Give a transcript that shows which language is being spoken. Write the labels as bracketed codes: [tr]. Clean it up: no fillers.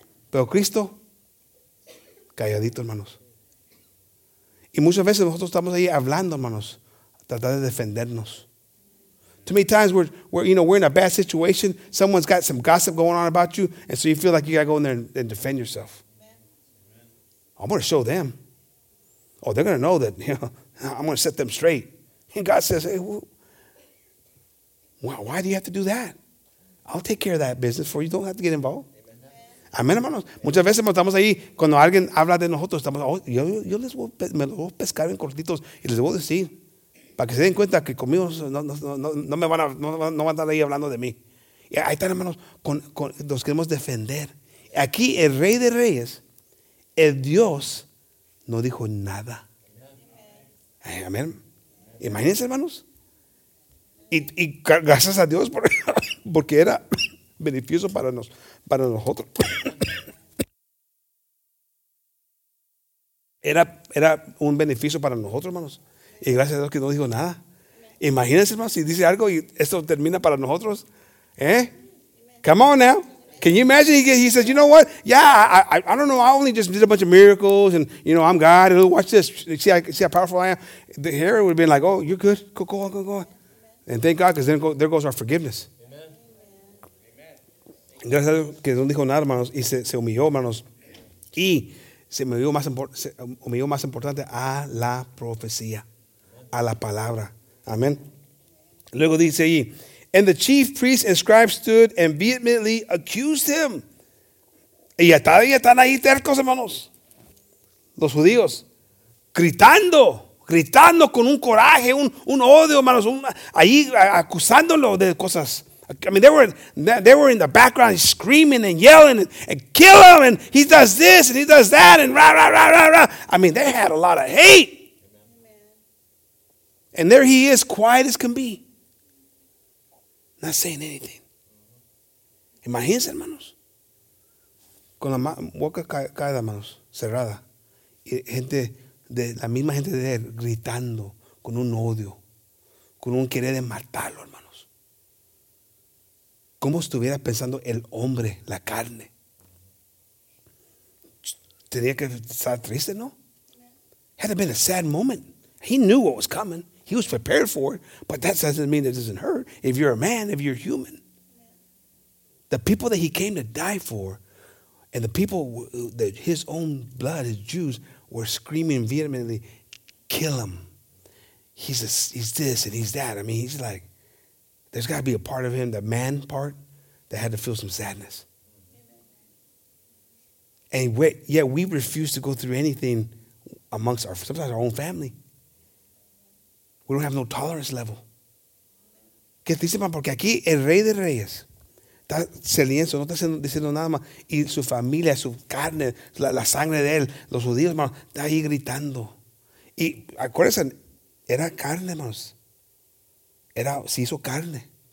[es] Pero Cristo, calladito, hermanos. Y muchas veces nosotros estamos ahí hablando, hermanos, tratando de defendernos. [en] Too many times we're in a bad situation. Someone's got some gossip going on about you, and so you feel like you got to go in there and defend yourself. Amen. I'm going to show them. Oh, they're going to know that, you know, I'm going to set them straight. And God says, hey, why do you have to do that? I'll take care of that business for you. Don't have to get involved. [es] Amén, hermanos. Muchas veces estamos ahí, cuando alguien habla de nosotros, estamos, oh, yo les voy, me los voy a pescar en cortitos y les voy a decir, para que se den cuenta que conmigo no van a estar ahí hablando de mí. Y ahí están, hermanos, nos queremos defender. Aquí el Rey de Reyes, el Dios, no dijo nada. Amén. Imagínense, hermanos. Y gracias a Dios, porque era beneficioso para nosotros. Era un beneficio para nosotros, hermanos. Y gracias a Dios que no dijo nada. Imagínense, hermanos, si dice algo y esto termina para nosotros. [en] ¿Eh? Come on now. Can you imagine? He says, you know what? Yeah, I don't know. I only just did a bunch of miracles and, you know, I'm God. And watch this. See how powerful I am. The hero would have been like, oh, you're good. Go on. And thank God, because there goes our forgiveness. [es] Gracias a Dios que no dijo nada, hermanos, y se humilló, hermanos. Y se humilló más importante a la profecía, a la palabra. Amén. Luego dice ahí, [en] and the chief priests and scribes stood and vehemently accused him. [es] Y están ahí tercos, hermanos, los judíos, gritando con un coraje, un odio, hermanos, ahí acusándolo de cosas. [en] I mean, they were in the background screaming and yelling and kill him, and he does this and he does that and rah, rah, rah, rah, rah. I mean, they had a lot of hate. And there he is, quiet as can be, not saying anything. [es] Imagínense, hermanos, con la boca caída, hermanos, cerrada, y gente, de la misma gente de él, gritando con un odio, con un querer de matarlo, hermanos. ¿Cómo estuviera pensando el hombre, la carne? Tenía que estar triste, ¿no? [en] Had it been a sad moment. He knew what was coming. He was prepared for it. But that doesn't mean it doesn't hurt. If you're a man, if you're human. The people that he came to die for, and the people that his own blood, his Jews, were screaming vehemently, kill him. He's this and he's that. I mean, he's like, there's got to be a part of him, the man part, that had to feel some sadness. And we refuse to go through anything amongst sometimes our own family. We don't have no tolerance level. [es] ¿Qué dice, [en] man? [es] Porque aquí el Rey de Reyes está silencio, no está diciendo nada más. Y su familia, su carne, la sangre de él, los judíos, man, está ahí gritando. Y acuérdense, era carne, hermanos. Era, se hizo carne.